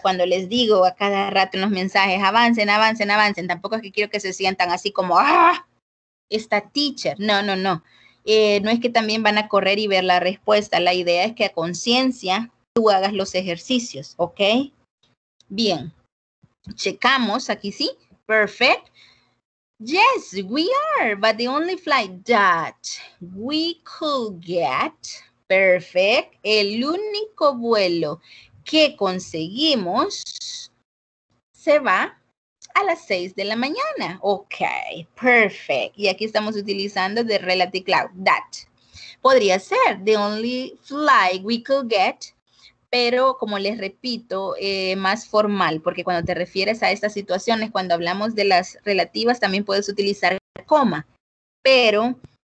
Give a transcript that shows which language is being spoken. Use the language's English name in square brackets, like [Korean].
[Spanish] Cuando les digo a cada rato en los mensajes, avancen, avancen, avancen. Tampoco es que quiero que se sientan así como, ¡ah! Esta teacher. No, no, no. No es que también van a correr y ver la respuesta. La idea es que a conciencia tú hagas los ejercicios, ¿ok? Bien. Checamos aquí, ¿sí? [English] Perfect. Yes, we are, but the only flight that we could get... Perfect. [Spanish] El único vuelo que conseguimos se va a las 6 de la mañana. Ok, perfect. Y aquí estamos utilizando [English] the relative clause, [Spanish] that. Podría ser [English] the only flight we could get, [Spanish] pero como les repito, más formal, porque cuando te refieres a estas situaciones, cuando hablamos de las relativas, también puedes utilizar coma, pero...